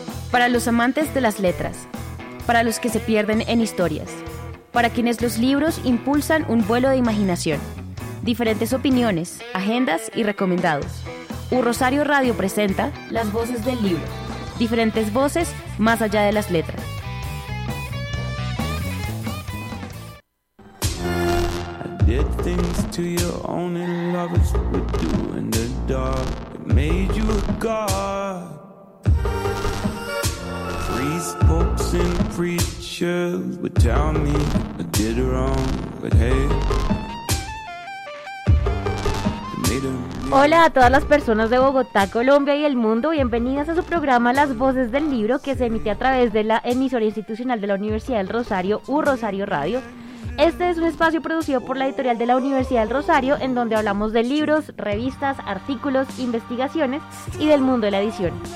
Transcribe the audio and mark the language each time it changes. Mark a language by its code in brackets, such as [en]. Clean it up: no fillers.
[es] Para los amantes de las letras, para los que se pierden en historias, para quienes los libros impulsan un vuelo de imaginación. Diferentes opiniones, agendas y recomendados. Un Rosario Radio presenta Las Voces del Libro. Diferentes voces más allá de las letras. [en] Did things to you only lovers would do in the dark. It made you a god. Priests, popes, and preachers would tell me I did wrong, but hey. [es] Hola a todas las personas de Bogotá, Colombia y el mundo. Bienvenidas a su programa Las Voces del Libro, que se emite a través de la emisora institucional de la Universidad del Rosario, U Rosario Radio. Este es un espacio producido por la editorial de la Universidad del Rosario, en donde hablamos de libros, revistas, artículos, investigaciones y del mundo de la edición.